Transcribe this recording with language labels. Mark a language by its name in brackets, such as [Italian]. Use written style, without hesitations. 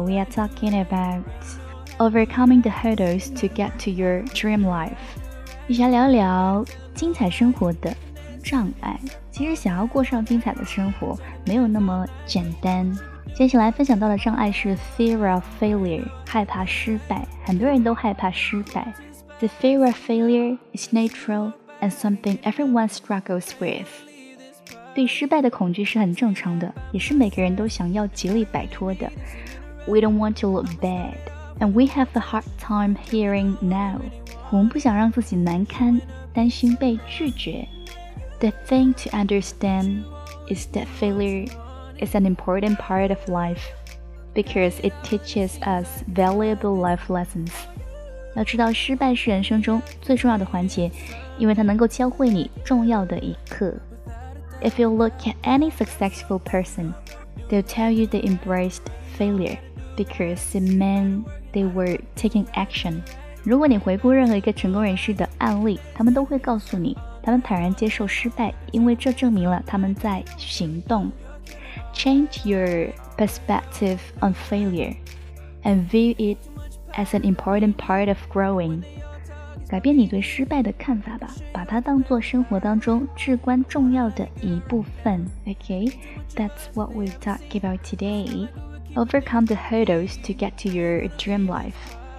[English] We are talking about overcoming the hurdles to get to your dream life. [Chinese] 一起来聊聊精彩生活的障碍。其实想要过上精彩的生活没有那么简单。接下来分享到的障碍是 [English] fear of failure, [Chinese] 害怕失败。很多人都害怕失败。 [English] The fear of failure is natural and something everyone struggles with. [Chinese] 对失败的恐惧是很正常的，也是每个人都想要极力摆脱的。 [English] We don't want to look bad, and we have a hard time hearing no. [Chinese] 我们不想让自己难堪，担心被拒绝。 [English] The thing to understand is that failure is an important part of life, because it teaches us valuable life lessons. [Chinese] 要知道失败是人生中最重要的环节，因为它能够教会你重要的一课。 [English] If you look at any successful person, they'll tell you they embraced failure because it meant they were taking action. [Chinese] 如果你回顾任何一个成功人士的案例，他们都会告诉你，他们坦然接受失败，因为这证明了他们在行动。 [English] Change your perspective on failure and view it as an important part of growing. [Chinese] 改变你对失败的看法吧，把它当作生活当中至关重要的一部分。 [English] Okay, that's what we'll talk about today. Overcome the hurdles to get to your dream life.